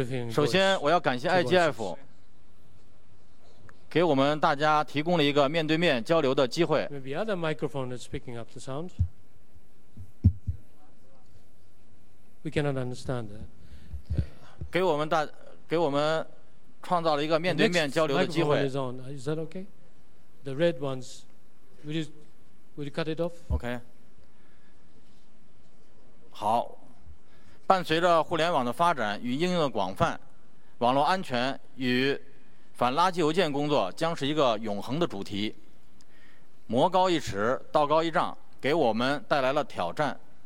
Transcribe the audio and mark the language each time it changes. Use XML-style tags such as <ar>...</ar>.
<zh>首先，我要感谢 IGF 给我们大家提供了一个面对面交流的机会。</zh> <en>Maybe other microphone is picking up the sound. We cannot understand that.</en> <zh>给我们创造了一个面对面交流的机会。</zh> <en>The next microphone is on. Is that okay? The red ones, Will you cut it off? Okay.</en> <zh>好，伴随着互联网的发展与应用的广泛，网络安全与反垃圾邮件工作将是一个永恒的主题。魔高一尺，道高一丈，给我们带来了挑战。</zh>